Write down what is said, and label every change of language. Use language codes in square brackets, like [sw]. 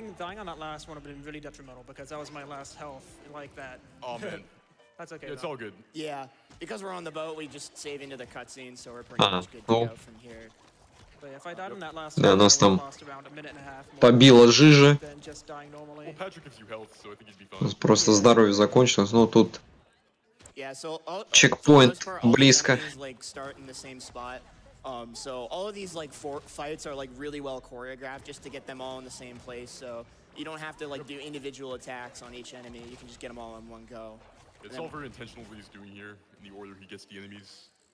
[en] Dying on that last one would have been really detrimental because that was my last health like that. Oh man. That's okay. Yeah, it's all good. Yeah. Because we're on the boat, we just save into the cutscene, so we're pretty much good to go from here. But if I died in that last one, yeah, I lost around a minute and a half more than just dying normally. Well, Patrick gives you health, so I think he'd be fine. Yeah. [ru] Просто здоровье закончилось, но тут... [en] Yeah, so all... [ru] Checkpoint, близко. [en] All of these, like, start in the same spot. So all of these, like, four fights are, like, really well choreographed just to get them all in the same place, so... You don't have to, like, do individual attacks on each enemy, you can just get them all in one go. It's all very intentional what he's doing here, in the order he gets the enemies.